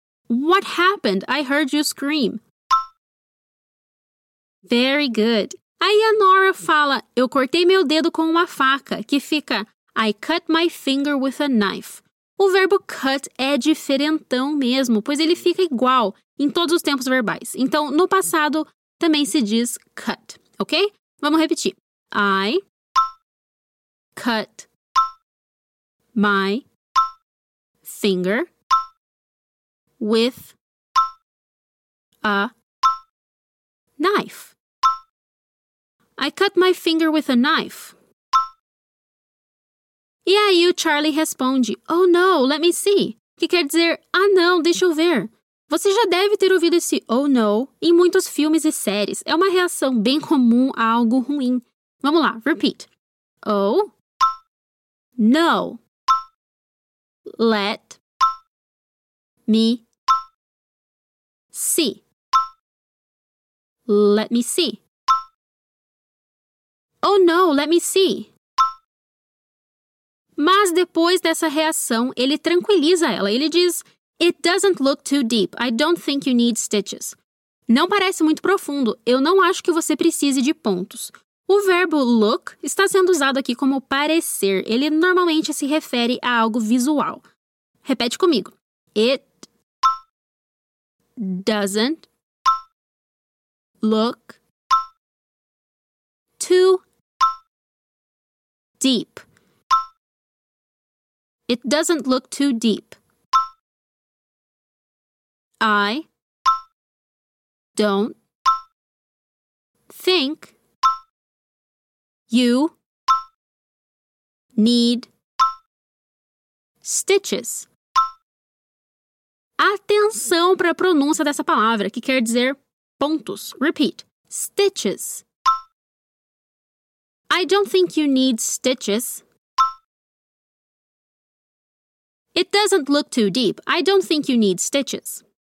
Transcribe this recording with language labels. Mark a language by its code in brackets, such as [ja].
[en] What happened? I heard you scream. Very good. [pt] Aí a Nora fala, eu cortei meu dedo com uma faca, que fica, [en] I cut my finger with a knife. [pt] O verbo cut é diferentão mesmo, pois ele fica igual em todos os tempos verbais. Então, no passado, também se diz cut, ok? Vamos repetir. [en] I cut my finger with a knife. I cut my finger with a knife. [pt] E aí o Charlie responde, [en] oh no, let me see. [pt] Que quer dizer, ah não, deixa eu ver. Você já deve ter ouvido esse [en] oh no [pt] em muitos filmes e séries. É uma reação bem comum a algo ruim. Vamos lá, [en] repeat. Oh no, let me see. Let me see. Oh no, let me see. [pt] Mas depois dessa reação, ele tranquiliza ela. Ele diz, [en] it doesn't look too deep. I don't think you need stitches. [pt] Não parece muito profundo. Eu não acho que você precise de pontos. O verbo look está sendo usado aqui como parecer. Ele normalmente se refere a algo visual. Repete comigo. [en] It doesn't look too deep. It doesn't look too deep. I don't think you need stitches. [pt] Atenção para a pronúncia dessa palavra, que quer dizer pontos. [en] Repeat. Stitches. I don't think you need stitches. It doesn't look too deep. I don't think you need stitches.